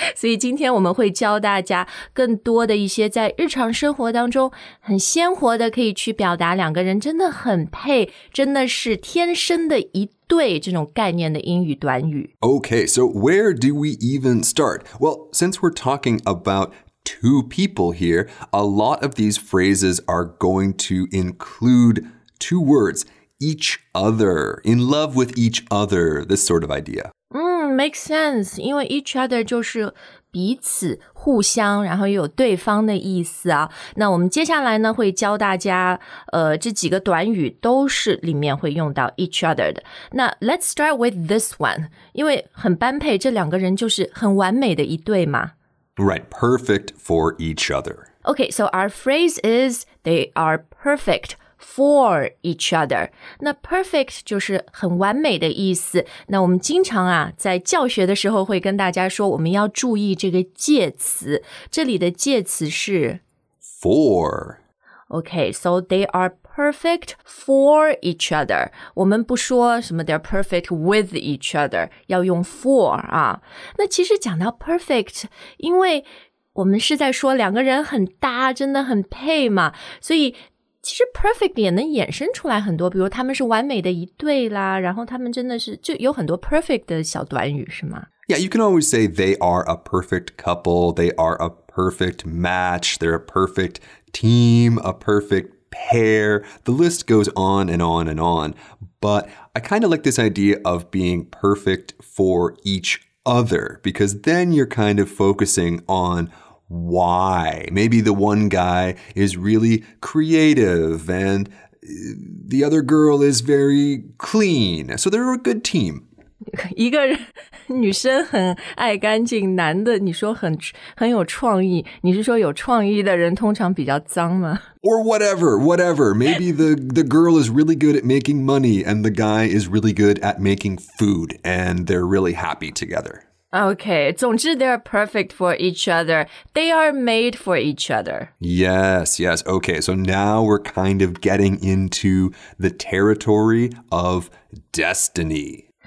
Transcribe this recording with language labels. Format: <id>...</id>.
<zh>所以今天我们会教大家更多的一些在日常生活当中很鲜活的可以去表达两个人真的很配真的是天生的一对这种概念的英语短语。</zh> <en>Okay, so where do we even start? Well, since we're talking about two people here, a lot of these phrases are going to include two words, each other, in love with each other, this sort of idea. Makes sense,</en> <zh>因为 each other 就是彼此互相然后又有对方的意思啊。那我们接下来呢会教大家这几个短语都是里面会用到 each other 的。那</zh> <en>let's start with this one,</en> <zh>因为很般配这两个人就是很完美的一对嘛。</zh> <en>Right, perfect for each other. Okay, so our phrase is, they are perfect. For each other.</en> <zh>那 perfect 就是很完美的意思。那我们经常啊在教学的时候会跟大家说我们要注意这个介词。这里的介词是</zh> <en>For. Okay, so they are perfect for each other.</en> <zh>我们不说什么</zh> <en>they're perfect with each other,</en> <zh>要用 for 啊。那其实讲到 perfect, 因为我们是在说两个人很搭真的很配嘛。所以其实 perfect 也能衍生出来很多比如他们是完美的一对啦然后他们真的是就有很多 perfect 的小短语是吗</zh> <en>Yeah, you can always say they are a perfect couple, they are a perfect match, they're a perfect team, a perfect pair. The list goes on and on and on. But I kind of like this idea of being perfect for each other because then you're kind of focusing onWhy? Maybe the one guy is really creative and the other girl is very clean. So they're a good team.</en> <zh>一个女生很爱干净，男的你说很有创意，你是说有创意的人通常比较脏吗？</zh> <en>Or whatever. Maybe the girl is really good at making money and the guy is really good at making food and they're really happy together. Okay, 总之 they're perfect for each other. They are made for each other. Yes. Okay, so now we're kind of getting into the territory of destiny.</en>